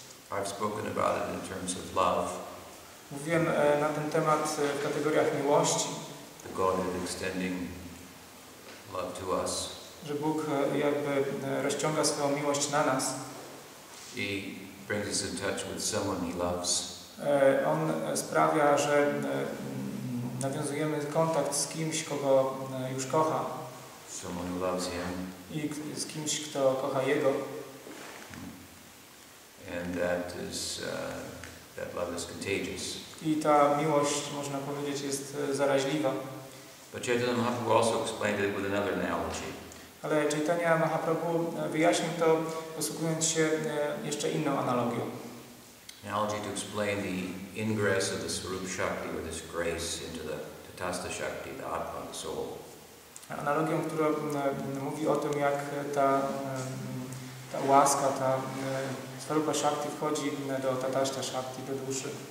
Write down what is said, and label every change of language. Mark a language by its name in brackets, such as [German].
[English] I've spoken about it in terms of love. [Polish] Mówiłem na ten temat w kategoriach miłości. [English] The Godhead extending love to us. [Polish] Że Bóg jakby rozciąga swoją miłość na nas. [English] He brings us in touch with someone he loves. [Polish] On sprawia, że nawiązujemy kontakt z kimś, kogo już kocha. [English] Someone who loves him. [Polish] I z kimś, kto kocha jego. [English] And that is that love is contagious. [Polish] I ta miłość, można powiedzieć, jest zaraźliwa. [English] But Chaitanya Mahaprabhu also explained it with another analogy. [Polish] Ale Chaitanya Mahaprabhu wyjaśnił to, posługując się jeszcze inną analogią. [English] Analogy to explain the ingress of the Swarup Shakti, or this grace, into the Tathasta Shakti, the Atma, the soul. [Polish] Analogią, która mówi o tym, jak ta, ta łaska, ta Swarupa Shakti wchodzi do Tathasta Shakti, do duszy.